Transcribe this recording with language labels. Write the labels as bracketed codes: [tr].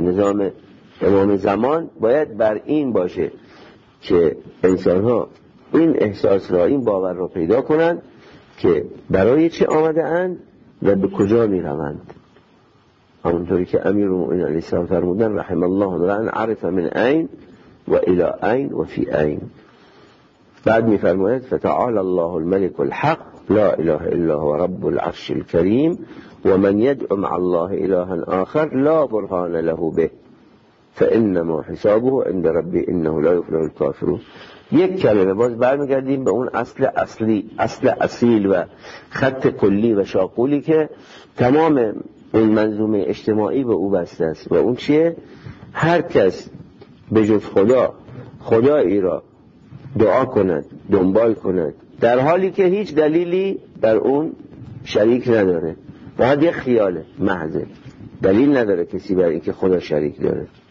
[fa] نظام امام زمان باید بر این باشه که انسان‌ها این احساس را، این باور را پیدا کنند که برای چه آمده‌اند و به کجا می‌روند. همونطوری که امیرالمؤمنین علی السلام فرمودن [ar] رحم الله امرأً عرف من عین و الى عین و فی عین. [fa] بعد می فرماید [ar] فتعال الله الملك الحق لا اله الا هو رب العرش الكريم ومن يدعو مع الله اله اخر لا برهان له به فانما حسابه عند ربي انه لا يفلح الكافرون. [fa] یک کلمه باز برمیگردیم به اون اصل اصلی، اصل اصیل و خط کلی و شاقولی که تمام این منظومه اجتماعی به او بسته است و اون چیه؟ هر کس به جز خدا، خدایی را دعا کند، دنبال کند، در حالی که هیچ دلیلی بر اون شریک نداره، باید یه خیاله محضه، دلیل نداره کسی بر این که خدا شریک داره.